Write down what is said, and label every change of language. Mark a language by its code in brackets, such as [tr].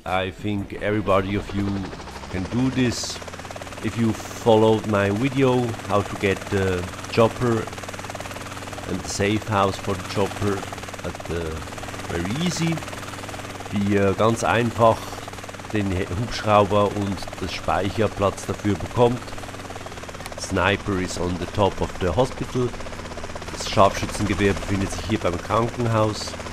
[en] I think everybody of you can do this if you followed my video how to get the chopper and the safe house for the chopper at the very easy. [de] Wie ganz einfach den Hubschrauber und das Speicherplatz dafür bekommt. [en] Sniper is on the top of the hospital. [de] Das Scharfschützengewehr befindet sich hier beim Krankenhaus.